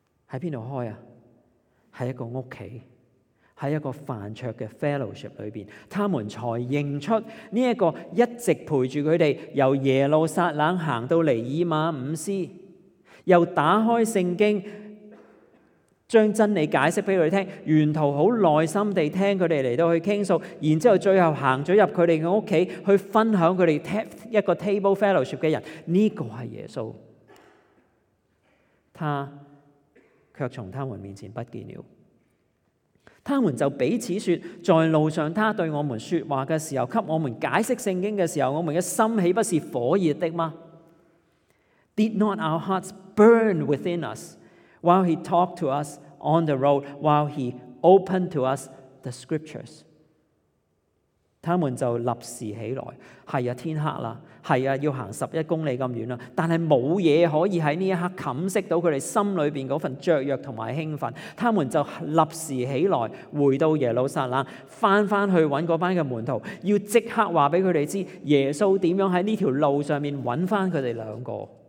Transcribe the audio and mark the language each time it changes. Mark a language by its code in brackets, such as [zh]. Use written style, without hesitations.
[yue] 在哪里开？在一个屋企，在一个饭桌的 fellowship 里面，他们才认出这个一直陪着他们由耶路撒冷走到尼以马忤斯，又打开圣经将真理解释给他们听，沿途很耐心地听他们来到去倾诉，然后最后走了入他们的家去分享他们一个 table fellowship 的人，这个是耶稣。他却从他们面前不见了。他们就彼此说，在路上他对我们说话的时候，给我们解释圣经的时候，我们的心岂不是火热的吗？ [en] Did not our hearts burn within us while he talked to us on the road, while he opened to us the scriptures? [yue] 他们就立时起来，是啊，天黑了，是啊，要行十一公里那么远了，但是没有东西可以在这一刻掩饰到他们心里面那份雀跃和兴奋。他们就立时起来，回到耶路撒冷，回去找那班的门徒，要立刻告诉他们耶稣怎样在这条路上找回他们两个。